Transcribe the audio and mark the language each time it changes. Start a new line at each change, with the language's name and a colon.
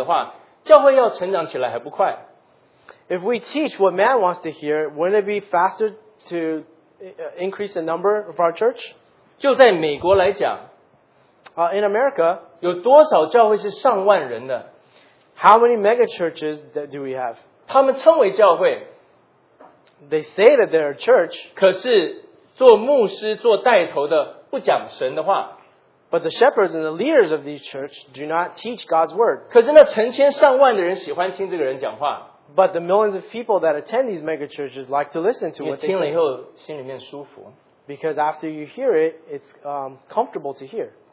Chinese: 如果我们讲人的心意，我们讲人喜欢听的话语的话，教会要成长起来还不快。
English: If we teach what man wants to hear, wouldn't it be faster to increase the number of our church?
Chinese: 就在美国来讲,
English: in America,
Chinese: 有多少教会是上万人的?
English: How many mega churches do we have?
Chinese: 他们称为教会,
English: they say that they're a church.
Chinese: 可是做牧师做带头的不讲神的话,
English: but the shepherds and the leaders of these churches do not teach God's word.
Chinese: 可是那成千上万的人喜欢听这个人讲话。
English: But the millions of people that attend these mega churches like to listen to what they hear. Because after you hear it, it's comfortable to hear.